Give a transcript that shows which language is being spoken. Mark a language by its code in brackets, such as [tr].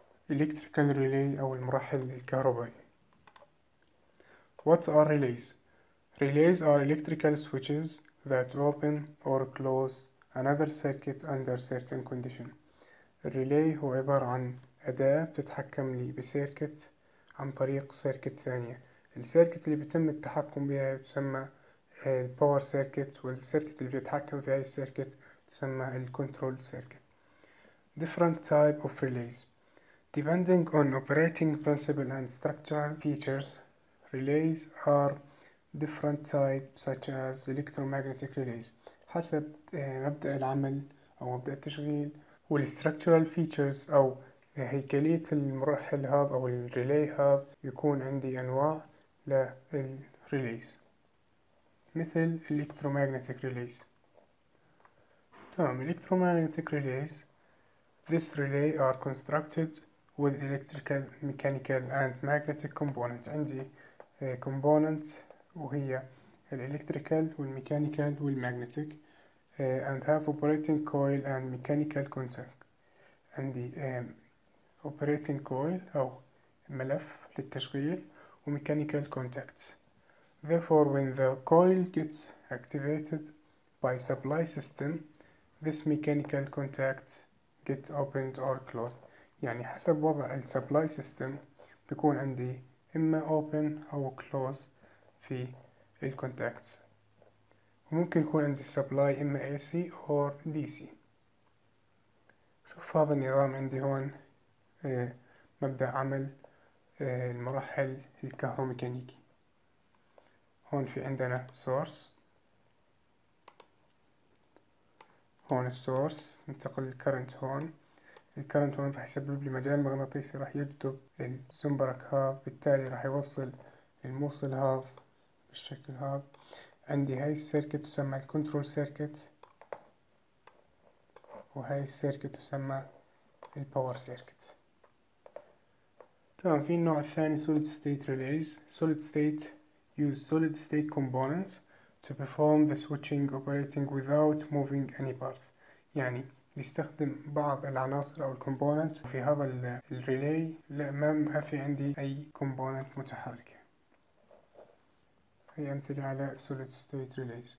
[en] Electrical relay [ar] أو المراحل الكهربائية. [en] What are relays? Relays are electrical switches that open or close another circuit under certain condition. [ar] الريلي هو عبارة عن أداة بتتحكم لي بسيركت عن طريق سيركت ثانية. السيركت اللي بيتم التحكم بها تسمى الباور سيركت، والسيركت اللي بيتحكم في هاي السيركت تسمى الكنترول سيركت. [en] Different type of relays. Depending on operating principle and structural features, relays are different types such as electromagnetic relays. [ar] حسب مبدأ العمل أو مبدأ التشغيل والstructural features أو هيكلية المرحل هذا أو الريلي هذا، يكون عندي أنواع للريليز مثل electromagnetic relays. تمام، [en] electromagnetic relays. This relay are constructed with electrical, mechanical and magnetic components. [ar] عندي [en] components [ar] وهي الالكتريكال والميكانيكال والماجنتيك، [en] and have operating coil and mechanical contact. [ar] عندي operating coil أو ملف للتشغيل وميكانيكال contact. [en] Therefore, when the coil gets activated by supply system, this mechanical contact get opened or closed. [ar] يعني حسب وضع الـ supply system بيكون عندي إما open أو close في الـ contacts، وممكن يكون عندي supply إما AC or DC. شوف هذا النظام عندي هون، مبدأ عمل المرحل الكهروميكانيكي. هون في عندنا source، هون السورس، ننتقل للكرنت. هون الكرنت هون راح يسبب لي مجال مغناطيسي، راح يجذب الزنبرك هذا، بالتالي راح يوصل الموصل هذا بالشكل هذا. عندي هاي السيركت تسمى الكنترول سيركت، وهاي السيركت تسمى الباور سيركت. تمام، في النوع الثاني سوليد ستيت ريليز. [en] Solid state uses solid state components to perform the switching operating without moving any parts. [ar] يعني يستخدم بعض العناصر أو الكومبوننت في هذا الريلي، لا ما في عندي أي كومبوننت متحركة. هي أمثلة على solid state relays.